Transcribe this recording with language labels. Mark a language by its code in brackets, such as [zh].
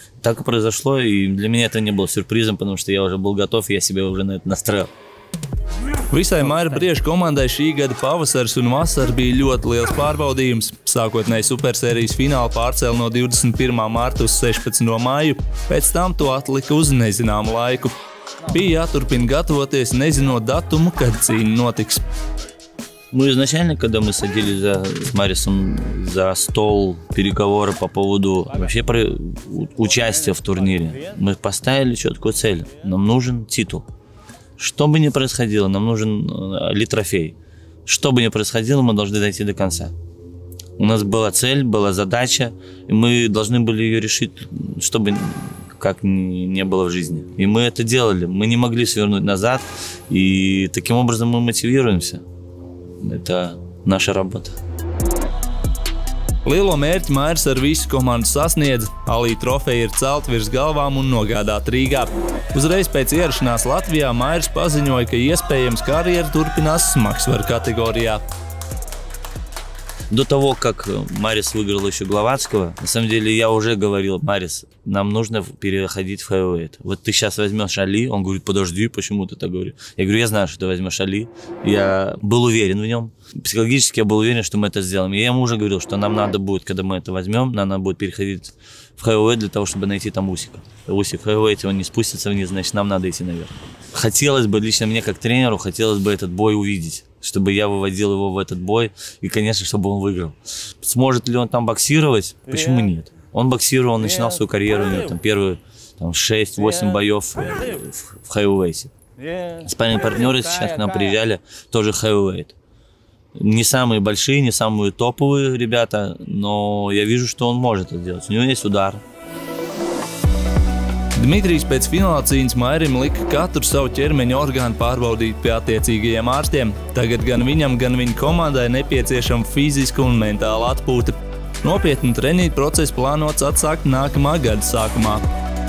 [ru] Так и произошло, и для меня это не было сюрпризом, потому что я уже был готов, я себя уже на это настроил. [lv] Visai Maira Briežu komandai šī gada pavasars un vasara bija ļoti liels pārbaudījums. Sākotnēji superserijas fināli pārcēla no 21. Marta uz 16. Maju, pēc tam to atlika uz nezināmu laiku. Bija jāturpina gatavoties, nezinot datumu, kad cīņa notiks. [ru] Ну, изначально, когда мы садились с Марисом за стол переговоры по поводу вообще про участия в турнире, мы поставили четкую цель. Нам нужен титул. Что бы ни происходило, нам нужен ли трофей. Что бы ни происходило, мы должны дойти до конца. У нас была цель, была задача, и мы должны были ее решить, чтобы как не было в жизни. И мы это делали. Мы не могли свернуть назад, и таким образом мы мотивируемся. Это наша работа. [lv] Lielo mērķi Mairs ar visu komandu sasniedz, Alī trofeja ir celt virs galvām un nogādāt Rīgā. Uzreiz pēc ierašanās Latvijā Mairs paziņoja, ka iespējams karjera turpinās smagsvaru kategorijā. [ru] До того, как Марис выиграл еще Гловацкого, на самом деле я уже говорил, Марис, нам нужно переходить в хэвэйт. Вот ты сейчас возьмешь Али, он говорит, подожди, почему ты так говоришь? Я говорю, я знаю, что ты возьмешь Али. Я был уверен в нем. Психологически я был уверен, что мы это сделаем. Я ему уже говорил, что нам надо будет, когда мы это возьмем, нам надо будет переходить в хэвэйт для того, чтобы найти там Усика. Усик в хэвэйте, он не спустится вниз, значит, нам надо идти наверх. Хотелось бы, лично мне как тренеру, хотелось бы этот бой увидеть. Чтобы я выводил его в этот бой и, конечно, чтобы он выиграл. Сможет ли он там боксировать? Почему нет? Он боксировал, начинал свою карьеру, у него там первые там, 6-8 боев в хэвэйте. Спарринг-партнеры сейчас к нам приезжали, тоже хэвэйт. Не самые большие, не самые топовые ребята, но я вижу, что он может это делать. У него есть удар. [lv] Dmitrijs pēc fināla cīņas Mairim lika katru savu ķermeņu orgānu pārbaudīt pie attiecīgajiem ārstiem. Tagad gan viņam, gan viņa komandai nepieciešama fiziska un mentāla atpūta. Nopietnu treniņu procesu plānots atsākt nākamā gada sākumā.